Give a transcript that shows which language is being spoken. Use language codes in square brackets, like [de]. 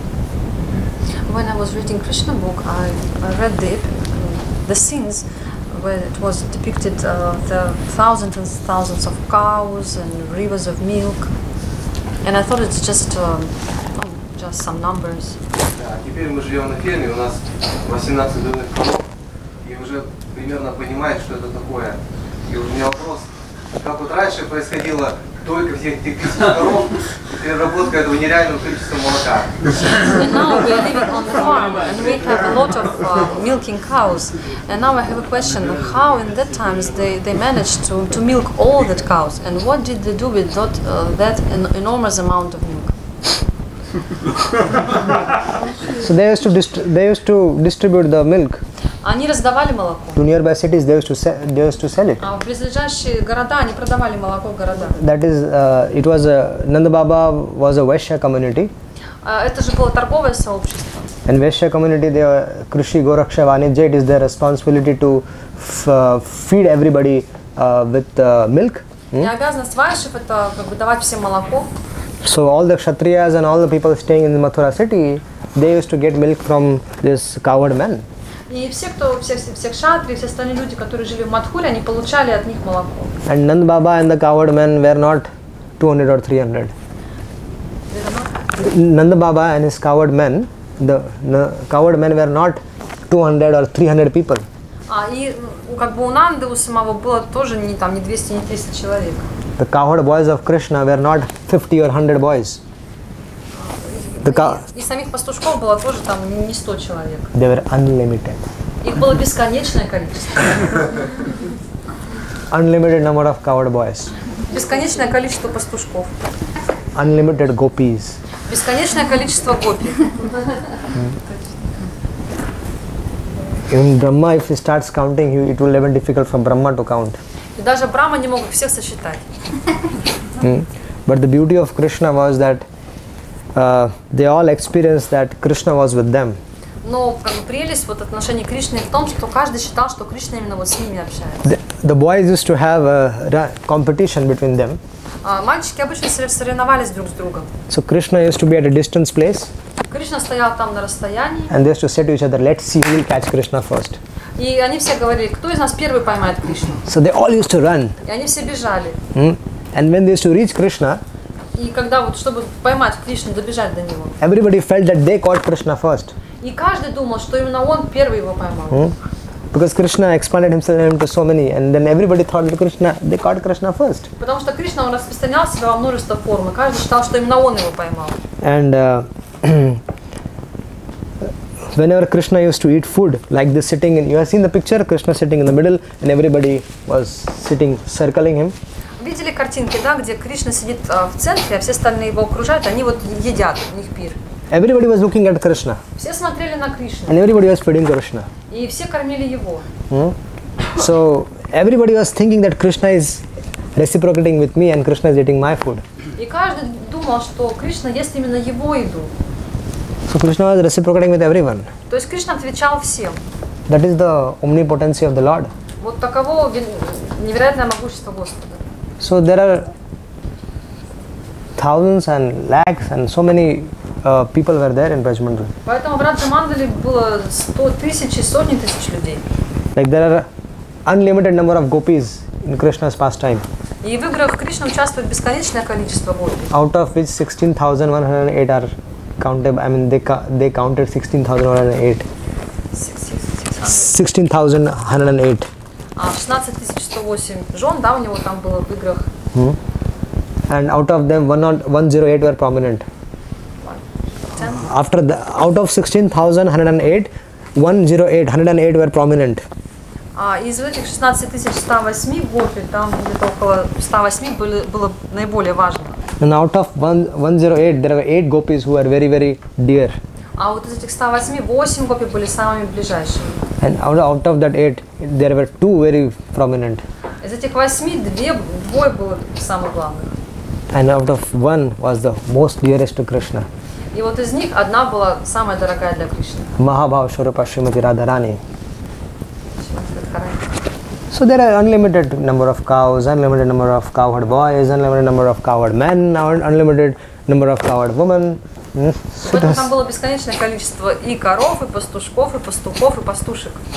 [en] When I was reading Krishna Book, I read the scenes where it was depicted the thousands and thousands of cows and rivers of milk, and I thought it's just some numbers. [ru] Теперь мы живем на ферме, у нас 18 дойных коров, и уже примерно понимает, что это такое. И у меня вопрос, как вот раньше происходило только всех этих тысяч коров, переработка этого нереального количества молока. [en] And now we are living on the farm, and we have a lot of milking cows. And now I have a question, how in that times they managed to milk all that cows? And what did they do with that enormous amount of milk? So they used to distribute the milk. [ru] Они раздавали молоко. [en] To nearby cities they used to sell it. [ru] В близлежащие города они продавали молоко в городах. [en] That is, it was Nanda Baba was a Vaishya community. [ru] Это же было торговое сообщество. [en] And Vaishya community, they are Krishi Goraksha Vanijay. It is their responsibility to feed everybody with milk. [ru] Обязанность вайшев это давать всем молоко. [en] So all the kshatriyas and all the people staying in the Mathura city, they used to get milk from this cowherd man. [ru] И все, кто все кшатри, все остальные люди, которые жили в Матхуре, они получали от них молоко. [en] And Nand Baba and the cowherd man were not 200 or 300. Nand Baba and his cowherd men, the cowherd men were not 200 or 300 people. [ru] А и как бы у Нанды у самого было тоже не там не 200, не 300 человек. [en] The cowherd boys of Krishna were not 50 or 100 boys. [ru] И самих пастушков было тоже там не 100 человек. [en] They were unlimited. [ru] Их было бесконечное количество. [en] Unlimited number of cowherd boys. [ru] Бесконечное количество пастушков. [en] Unlimited gopis. [ru] Бесконечное количество гопи. [en] In Brahma, if he starts counting, it will even difficult for Brahma to count. [ru] И даже Брама не мог всех сосчитать. [en] But the beauty of Krishna was that they all experienced that Krishna was with them. [ru] Но как бы прелесть вот отношения Кришны в том, что каждый считал, что Кришна именно вот с ними общается. [en] The boys used to have a competition between them. [ru] Мальчики обычно соревновались друг с другом. [en] So Krishna used to be at a distance place. [ru] Кришна стоял там на расстоянии. [en] And they used to say to each other, "Let's see who will catch Krishna first." [ru] И они все говорили, кто из нас первый поймает Кришну. [en] So they all used to run. [ru] И они все бежали. [en] And when they used to reach Krishna. [ru] И когда вот чтобы поймать Кришну, добежать до него. [en] Everybody felt that they caught Krishna first. [ru] И каждый думал, что именно он первый его поймал. [en] Because Krishna expanded himself into so many, and then everybody thought that Krishna, they caught Krishna first. [ru] Потому что Кришна он распространял себя во множество форм, и каждый считал, что именно он его поймал. [en] And whenever Krishna used to eat food, like this sitting in, you have seen the picture, Krishna sitting in the middle and everybody was sitting, circling him. [ru] Видели картинки, да, где Кришна сидит в центре, а все остальные его окружают, они вот едят, у них пир. [en] Everybody was looking at Krishna. [ru] Все смотрели на Кришну. [en] And everybody was feeding Krishna. [ru] И все кормили его. [en] So everybody was thinking that Krishna is reciprocating with me and Krishna is eating my food. [ru] И каждый думал, что Кришна ест именно его еду. [en] So Krishna was reciprocating with everyone. [ru] То есть Кришна отвечал всем. [en] That is the omnipotency of the Lord. [ru] Вот таково невероятное могущество Господа. [en] So there are thousands and lakhs and so many people were there in Brajmandal. [ru] Поэтому в Раджамандале было 100 тысяч и сотни тысяч людей. [en] Like there are unlimited number of gopis in Krishna's pastime. [ru] И в играх Кришна участвует бесконечное количество гопи. [en] Out of which 16,108 are counted, I mean they counted 16,108. 16,108. Ah, [ru] 16,108. Жен, да, у него там было в играх. [en] And out of them, 108 were prominent. After the out of 16,108, 108 were prominent. [ru] Из этих 16108 гопи, там где-то около 108 было наиболее важно. [en] And out of 108, there were 8 gopis who were very, very dear. [ru] А вот из этих 108, 8 гопи были самыми ближайшими. [en] And out of that 8, there were 2 very prominent. [ru] Из этих 8, 2 было самых главных. [en] And out of 1 was the most dearest to Krishna. [ru] И вот из них одна была самая дорогая для Кришны. Махабхава Шурупа Шримати Радарани. [en] So there are unlimited number of cows, unlimited number of cowherd boys, unlimited number of cowherd men, unlimited number of cowherd women. [ru] So там было бесконечное количество и коров, и пастушков, и пастухов, и пастушек.